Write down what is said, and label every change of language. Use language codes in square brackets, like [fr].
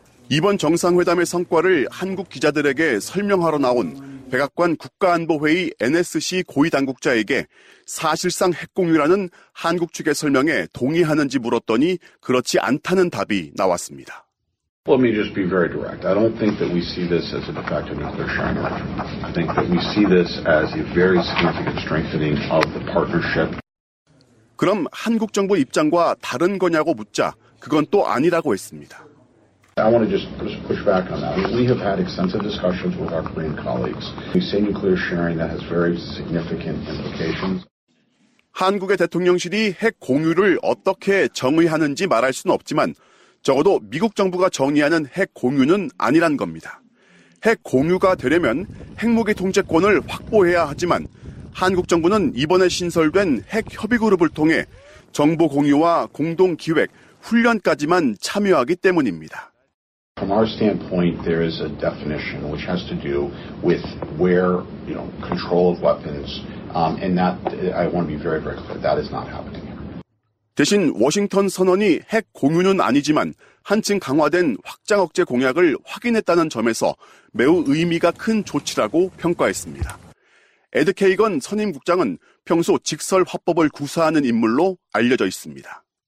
[ko] 이번 정상회담의 성과를 한국 기자들에게 설명하러 나온 백악관 국가안보회의 NSC 고위 당국자에게 사실상 핵공유라는 한국 측의 설명에 동의하는지 물었더니 그렇지 않다는 답이 나왔습니다. [en] Let me just be very direct. I don't think that we see this as a de facto nuclear sharing arrangement. I think that we see this as a very significant strengthening of the partnership. [ko] 그럼 한국 정부 입장과 다른 거냐고 묻자 그건 또 아니라고 했습니다. [en] I want to just push back on that. We have had extensive discussions with our Korean colleagues. We say nuclear sharing that has very significant implications. [ko] 한국의 대통령실이 핵 공유를 어떻게 정의하는지 말할 수는 없지만 적어도 미국 정부가 정의하는 핵 공유는 아니란 겁니다. 핵 공유가 되려면 핵무기 통제권을 확보해야 하지만 한국 정부는 이번에 신설된 핵 협의그룹을 통해 정보 공유와 공동 기획, 훈련까지만 참여하기 때문입니다. [en] From our standpoint, there is a definition which has to do with where, you know, control of weapons, and that I want to be very, very clear. That is not happening here. [ko] 대신 워싱턴 선언이 핵 공유는 아니지만 한층 강화된 확장 억제 공약을 확인했다는 점에서 매우 의미가 큰 조치라고 평가했습니다. 에드 케이건 선임 국장은 평소 직설 화법을 구사하는 인물로 알려져 있습니다.